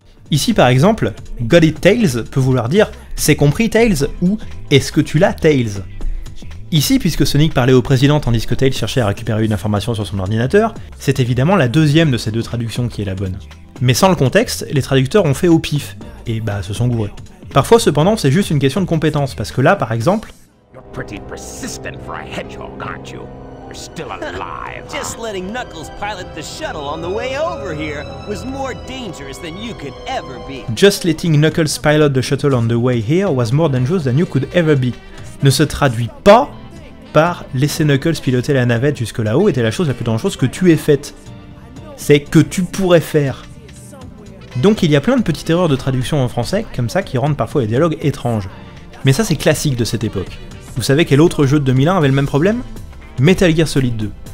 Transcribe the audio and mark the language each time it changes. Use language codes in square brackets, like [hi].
[fr] Ici, par exemple, [en] Got it, Tails [fr] peut vouloir dire C'est compris, Tails, ou Est-ce que tu l'as, Tails? Ici, puisque Sonic parlait au président tandis que Tails cherchait à récupérer une information sur son ordinateur, c'est évidemment la deuxième de ces deux traductions qui est la bonne. Mais sans le contexte, les traducteurs ont fait au pif, et bah se sont gourés. Parfois cependant, c'est juste une question de compétence, parce que là, par exemple... [en] You're pretty persistent for a hedgehog, aren't you? You're still alive, huh? Just letting Knuckles pilot the shuttle on the way over here was more dangerous than you could ever be. Just letting Knuckles pilot the shuttle on the way here was more dangerous than you could ever be. [fr] Ne se traduit pas par « laisser Knuckles piloter la navette jusque là-haut était la chose la plus dangereuse que tu aies faite ». C'est « que tu pourrais faire ». Donc il y a plein de petites erreurs de traduction en français comme ça qui rendent parfois les dialogues étranges. Mais ça c'est classique de cette époque. Vous savez quel autre jeu de 2001 avait le même problème? Metal Gear Solid 2.